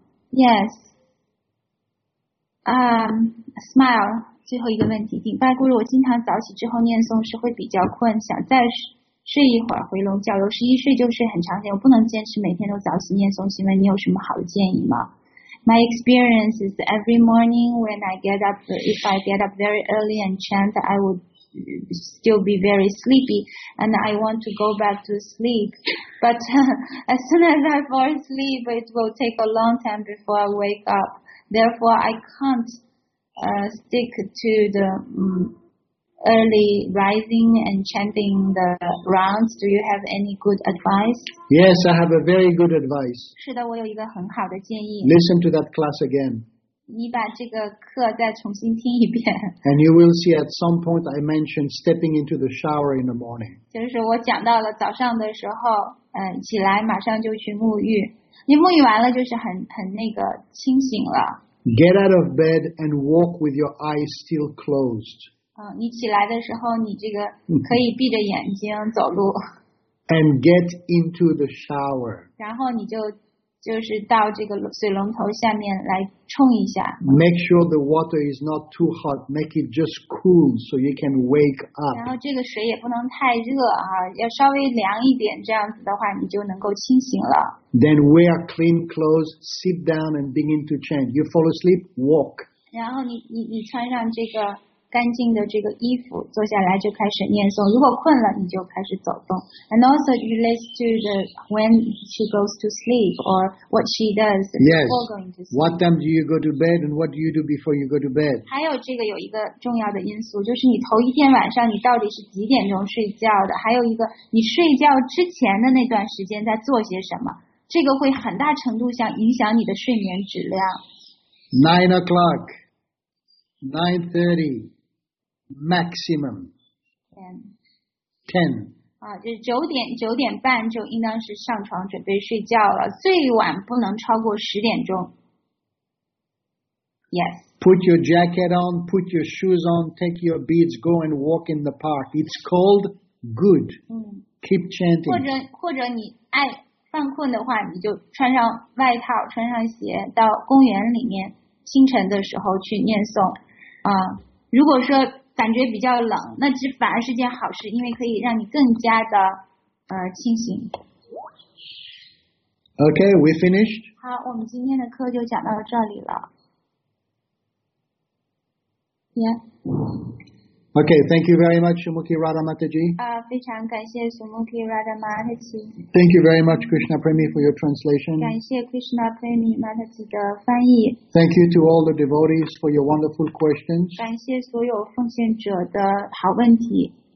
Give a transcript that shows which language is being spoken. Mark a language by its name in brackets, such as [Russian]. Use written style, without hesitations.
[English] Yes. Smile. [Chinese] 最后一个问题，顶拜咕噜，我经常早起之后念诵时会比较困，想再睡一会儿回笼觉。有时一睡就睡很长时间，我不能坚持每天都早起念诵，请问你有什么好的建议吗？ [English] My experience is every morning when I get up, if I get up very early and chant, I would. Still be very sleepy, and I want to go back to sleep. But as soon as I fall asleep, it will take a long time before I wake up. Therefore, I can't stick to the early rising and chanting the rounds. Do you have any good advice? Yes, I have a very good advice. [Chinese] 是的，我有一个很好的建议。 [English] Listen to that class again. [Chinese] 你把这个课再重新听一遍。 [English] And you will see at some point I mentioned stepping into the shower in the morning. [Chinese] 就是我讲到了早上的时候，起来马上就去沐浴。你沐浴完了就是很那个清醒了。 [English] Get out of bed and walk with your eyes still closed. [Chinese] 你起来的时候，你这个可以闭着眼睛走路。 [English] And get into the shower. [Chinese] 然后你就是到这个水龙头下面来冲一下。 [English] Make sure the water is not too hot. Make it just cool so you can wake up. [Chinese] 然后这个水也不能太热啊，要稍微凉一点，这样子的话你就能够清醒了。 [English] Then wear clean clothes, sit down and begin to chant. You fall asleep, walk. [Chinese] 然后你穿上这个干净的这个衣服，坐下来就开始念诵。如果困了，你就开始走动。 [English] And also relates to the when she goes to sleep or what she does before going to sleep. Yes. What time do you go to bed and what do you do before you go to bed? [Chinese] 还有这个有一个重要的因素，就是你头一天晚上你到底是几点钟睡觉的？还有一个，你睡觉之前的那段时间在做些什么？这个会很大程度上影响你的睡眠质量。 [English] 9 o'clock. 9:30. Maximum. Ten. Ten. [Chinese] 就是九点半就应当是上床准备睡觉了，最晚不能超过10点钟。 [English] Yes. Put your jacket on, put your shoes on, take your beads, go and walk in the park. It's cold. Good. Keep chanting. [Chinese] 或者你爱犯困的话，你就穿上外套，穿上鞋，到公园里面清晨的时候去念诵。如果说感觉比较冷，那这反而是件好事，因为可以让你更加的清醒。 [English] Okay, we finished. [Chinese] 好，我们今天的课就讲到这里了。 [English] Yeah. Okay, thank you very much, Sumukhi Radha Mataji. [Chinese] 非常感谢 Sumukhi Radha Mataji. [English] Thank you very much, Krishna Premi, for your translation. [Chinese] 感谢 Krishna Premi Mataji 的翻译。 [English] Thank you to all the devotees for your wonderful questions. [Chinese] 感谢所有奉献者的好问题。